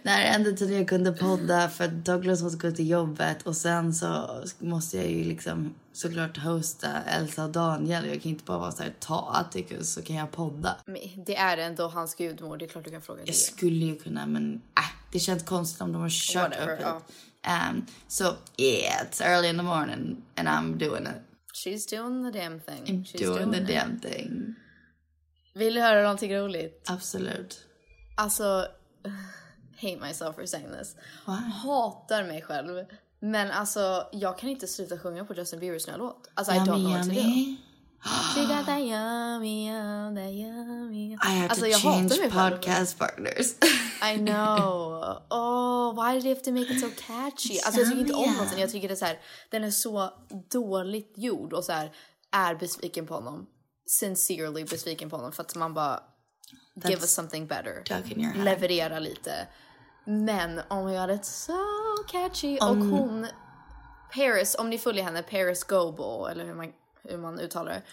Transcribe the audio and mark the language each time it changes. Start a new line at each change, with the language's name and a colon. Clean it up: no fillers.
Swedish: Det här är enda tiden jag kunde podda, för Douglas måste gå till jobbet och sen så måste jag ju liksom såklart hosta Elsa och Daniel. Jag kan inte bara vara så här, ta Atticus så kan jag podda. Men det är ändå hans gudmor, det är klart du kan fråga det. Jag skulle ju kunna, men det känns konstigt om de har kört upp det.
English: So yeah, it's early in the morning and I'm doing it. She's doing the damn thing. I'm She's doing the it. Damn thing.
Swedish: Vill du höra någonting roligt? Absolut. Alltså,
English: hate myself for saying this. What?
Swedish: Hatar mig själv. Men alltså, jag kan inte sluta sjunga på Justin Bieber's nya låt. Alltså,
English: I don't know what to do. I have to change podcast partners. I know. Oh, why did you have to make it so catchy?
Swedish: Alltså, jag tycker inte om låten. Jag tycker det är så här, den är så dåligt gjord och så här, är besviken på honom.
English: Sincerely
Swedish: besviken på honom. För att man bara,
English: that's give us something better. Duck in your head.
Swedish: Leverera lite. Men,
English: oh my god, it's so catchy.
Swedish: Och hon, Paris, om ni följer henne, Paris Goebel, eller hur man... hur man uttalar det.